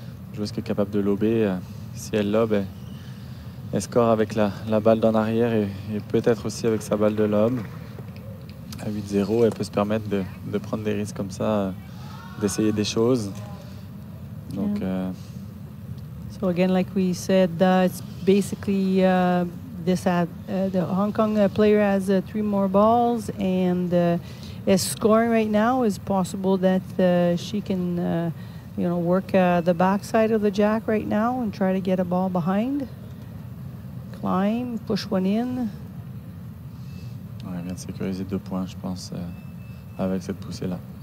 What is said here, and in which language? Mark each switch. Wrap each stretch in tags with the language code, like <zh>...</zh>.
<fr>Une joueuse qui est capable de lober. Si elle lobe, elle score avec la balle d'en arrière et peut-être aussi avec sa balle de lobe. À 8-0, elle peut se permettre de prendre des risques comme ça, d'essayer des choses. Donc,</fr> <en>So again, like we said, it's basically this. The Hong Kong player has 3 more balls, and is scoring right now. It's possible that she can, work the backside of the jack right now and try to get a ball behind, climb, push one in.</en> <fr>Ouais, bien sécuriser 2 points, je pense, avec cette poussée là.</fr>